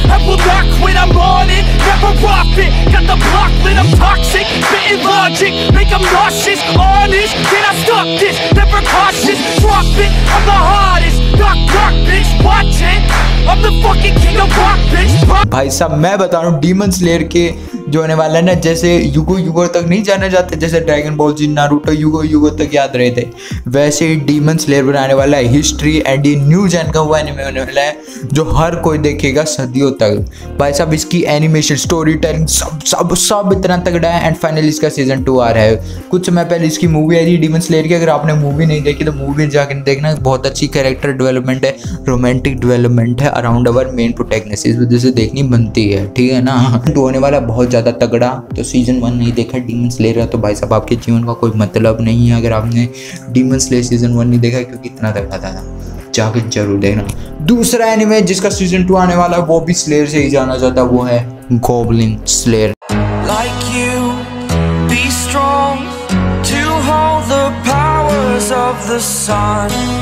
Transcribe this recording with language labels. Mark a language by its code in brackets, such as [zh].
[en] I will not quit, I'm on it. Never rock it. Got the block lit, I'm toxic. Spitting logic, make I'm nauseous. Honest, can I stop this? Never cautious, drop it. I'm the hardest. Knock, knock, bitch, watch it. I'm the fucking king of rock, bitch. [hi] भाई साहब मैं बता रहा हूँ, demon slayer के जो होने वाला है ना, जैसे युगो युगो तक नहीं जाने जाते, जैसे ड्रैगन बॉल जी नारुतो युगो युगो तक याद रहे थे, वैसे ही डीमन स्लेयर बनाने वाला है [en] history and new gen [hi] का वो एनिमे होने वाला है जो हर कोई देखेगा सदियों तक। भाई साहब इसकी एनिमेशन, स्टोरी टेलिंग सब सब सब इतना तगड़ा है। एंड फाइनली इसका सीजन टू आ रहा है। कुछ समय पहले इसकी मूवी आई थी डीमन स्लेयर की, अगर आपने मूवी नहीं देखी तो मूवी जाकर देखना। बहुत अच्छी कैरेक्टर डेवलपमेंट है, रोमांटिक डेवलपमेंट है [en] around our main protagonist, [hi] इस वजह से देखनी बनती है, ठीक है ना। टू होने वाला बहुत ज़्यादा तगड़ा। तो सीजन वन नहीं देखा डीमन स्लेयर तो भाई साहब आपके जीवन का कोई मतलब नहीं है अगर आपने डीमन स्लेयर सीजन वन नहीं देखा, क्योंकि इतना तगड़ा था, जाके जरूर देखना। दूसरा एनिमे जिसका सीजन टू आने वाला है वो भी स्लेयर से ही जाना जाता है, वो है goblin slayer. [en] Like you, be strong, to hold the powers of the sun.